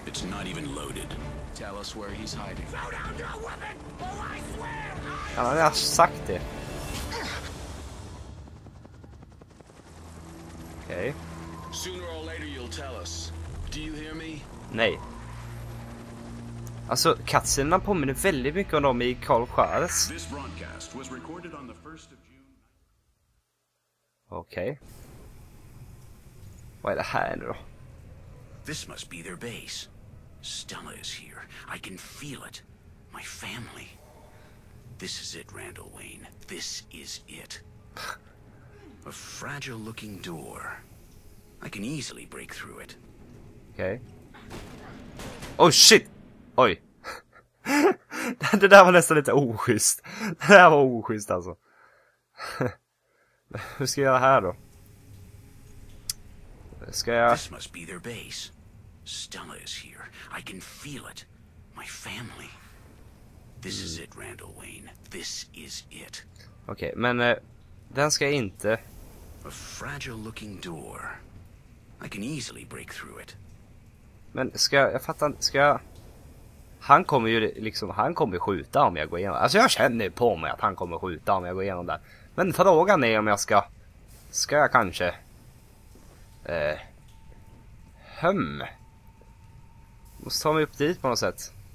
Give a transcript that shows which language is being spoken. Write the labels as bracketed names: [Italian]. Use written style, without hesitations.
[English] It's not even loaded. Tell us where he's hiding. Throw down your weapon or I swear. [Swedish] Ja, men jag har sagt det. Okej. [English] Sooner or later you'll tell us. Do you hear me? [Swedish] Nej. Alltså katserna påminner väldigt mycket om dem i Carl Schwarz. [English] This broadcast was recorded on the 1st of June. [Swedish] Okej. Vad är det här nu då? [English] This must be their base. Stella is here. I can feel it. My family. This is it, Randall Wayne. This is it. A fragile looking door. I can easily break through it. [Swedish] Okej. [English] Oh shit! [Swedish] Oj. Det där var nästan lite oschysst. Det där var oschysst alltså. Hur ska jag göra här då? Ska jag... [English] This must be their base. Stella is here. I can feel it. My family. This is it, Randall Wayne. This is it. [Swedish] Okej, okay, men den ska jag inte. [English] A fragile looking door. I can easily break through it. [Swedish] Men ska jag fattar, ska jag... Han kommer ju liksom, han kommer skjuta om jag går igenom. Alltså jag känner på mig att han kommer skjuta om jag går igenom där. Men frågan är om jag ska... Ska jag kanske... Måste ta mig upp dit på något sätt.